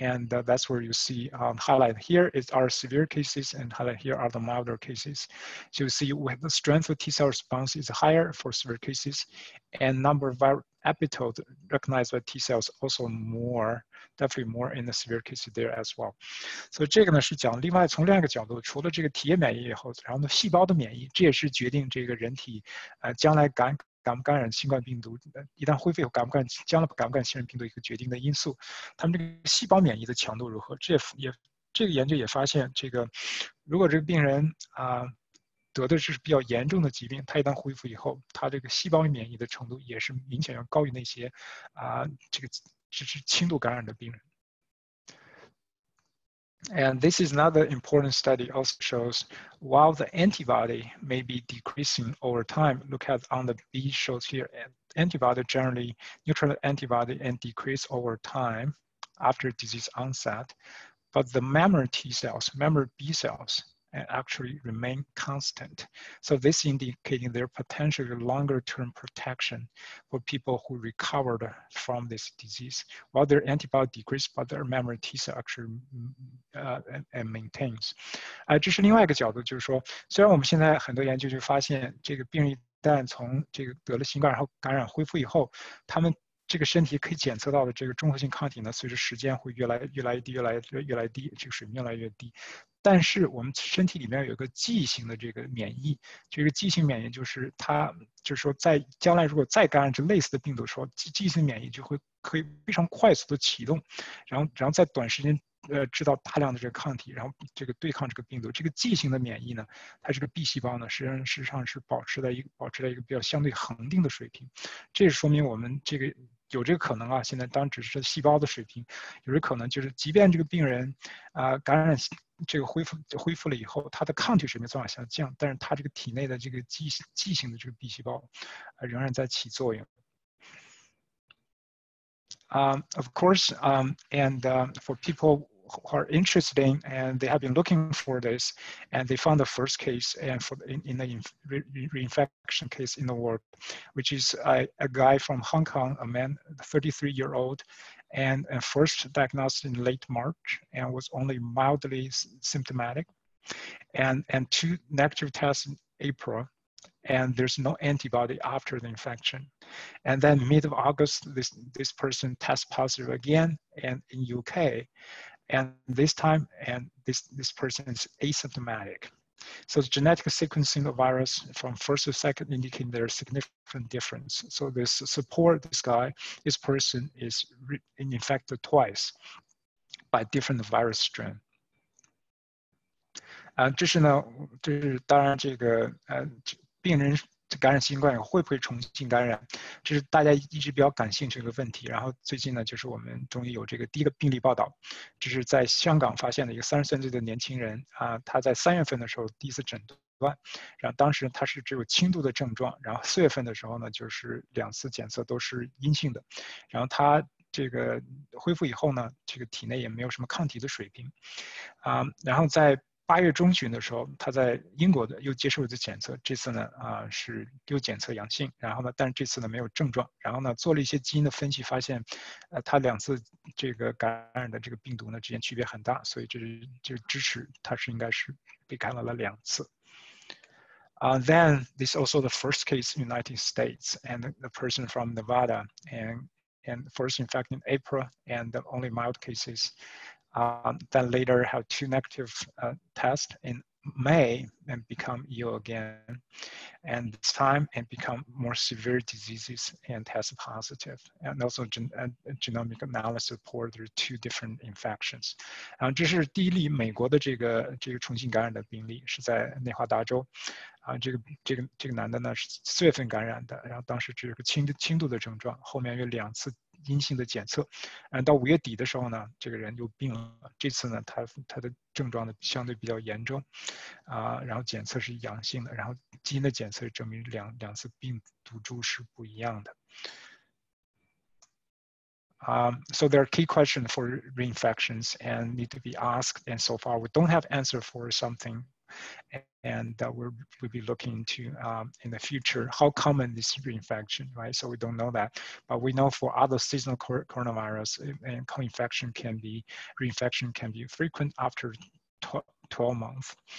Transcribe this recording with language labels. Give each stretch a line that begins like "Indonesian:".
English: And that's where you see highlight here is our severe cases and highlight here are the milder cases. So you see when the strength of T cell response is higher for severe cases and number of viral epitopes recognized by T cells also more, definitely more in the severe cases there as well.
Chinese: So 这个呢是讲另外从另外一个角度，除了这个体液免疫以后，然后呢细胞的免疫，这也是决定这个人体将来感 感不感染新冠病毒，一旦恢复后感不感染，将来感不感染新冠病毒一个决定的因素。他们这个细胞免疫的强度如何？这也这个研究也发现，这个如果这个病人啊得的是比较严重的疾病，他一旦恢复以后，他这个细胞免疫的程度也是明显要高于那些啊这个只是轻度感染的病人。
English: And this is another important study also shows while the antibody may be decreasing over time, look at on the B shows here, antibody generally, neutral antibody and decrease over time after disease onset, but the memory T cells, memory B cells actually remain constant. So this indicating their potentially longer term protection for people who recovered from this disease. While their antibody decreases, but their memory T cell actually and maintains.
Chinese: 这是另外一个角度，就是说，虽然我们现在很多研究就发现，这个病人一旦从这个得了新冠然后感染恢复以后，他们这个身体可以检测到的这个中和性抗体呢，随着时间会越来越低，这个水平越来越低。但是我们身体里面有一个记忆性的这个免疫，这个记忆性免疫就是它，就是说在将来如果再感染这类似的病毒的时候，记忆性免疫就会可以非常快速的启动，然后在短时间制造大量的这个抗体，然后这个对抗这个病毒。这个记忆性的免疫呢，它这个 B 细胞呢，实际上是保持在一个比较相对恒定的水平，这是说明我们这个。有这个可能啊，现在当只是细胞的水平，有这可能就是即便这个病人感染这个恢复了以后，他的抗体水平在往下降，但是他这个体内的这个记性的这个 B 细胞仍然在起作用。
English: Of course, for people who are interested in and they have been looking for this and they found the first case and for the reinfection case in the world, which is a guy from Hong Kong, a man, 33 year old, and first diagnosed in late March and was only mildly symptomatic and two negative tests in April and there's no antibody after the infection. And then mid of August, this person tests positive again and in UK,and this time, and this person is asymptomatic. So the genetic sequencing of virus from first to second indicating there's significant difference. So this support this guy, this person is infected twice by different virus strain.
Chinese: 这是呢，就是当然这个病人感染新冠会不会重新感染，这是大家一直比较感兴趣的问题。然后最近呢，就是我们终于有这个第一个病例报道，这是在香港发现的一个33岁的年轻人啊，他在3月份的时候第一次诊断，然后当时他是只有轻度的症状，然后4月份的时候呢，就是两次检测都是阴性的，然后他这个恢复以后呢，这个体内也没有什么抗体的水平，然后在8月中旬的时候，他在英国的又接受一次检测，这次呢是又检测阳性，然后呢，但是这次呢没有症状，然后呢做了一些基因的分析，发现，他两次这个感染的这个病毒呢之间区别很大，所以就支持他是应该是被感染了两次。
English: Then this is also the first case in United States, and the person from Nevada, and first infected in April, and the only mild cases. Then later have two negative tests in May and become ill again. And this time and become more severe diseases and test positive. And also genomic analysis support there are two different infections.
Chinese: 这是第一例美国的这个重新感染的病例，是在内华达州。这个男的呢是4月份感染的，然后当时只有个轻度的症状，后面有两次阴性的检测，然后到5月底的时候呢，这个人又病了，这次呢他的症状呢相对比较严重，然后检测是阳性的，然后基因的检测证明两次病毒株是不一样的。
English: So there are key questions for reinfections and need to be asked, and so far we don't have answer for something. And that we'll be looking into in the future, how common this reinfection, right? So we don't know that. But we know for other seasonal coronavirus, and reinfection can be frequent after 12 months.